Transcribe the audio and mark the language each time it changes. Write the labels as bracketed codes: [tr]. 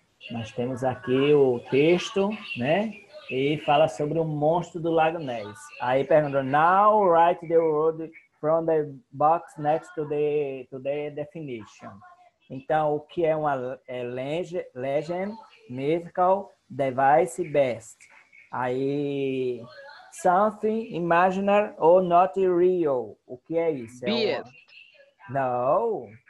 [pt] Nós temos aqui o texto, né? E fala sobre o monstro do Lago Ness. Aí pergunta, [en] now write the word from the box next to the definition. [pt] Então, o que é uma [en] legend, mythical, device, best? Aí, something imaginary or not real. [pt] O que é isso? [en] Beard. No.